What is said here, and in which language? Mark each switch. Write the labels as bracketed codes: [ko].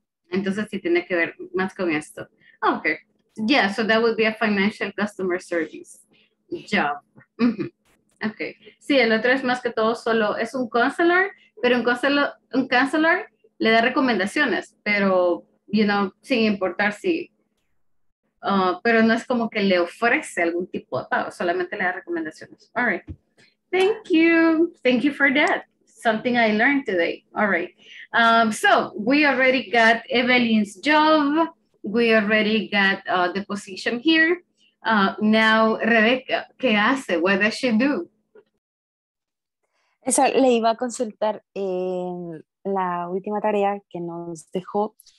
[es] Entonces, sí tiene que ver más con esto. [en] Okay. Yeah, so that would be a financial customer service job. [es] Okay. Sí, el otro es más que todo solo, es un counselor, pero un counselor le da recomendaciones, pero, [en] you know, [es] sin importar si, pero no es como que le ofrece algún tipo de pago, solamente le da recomendaciones. All right. [en] Thank you for that. Something I learned today. All right. So we already got Evelyn's job. We already got the position here. Now, Rebecca, [es] ¿qué hace? [en] What does she do? [es] Eso le iba a consultar en la última tarea que nos dejó.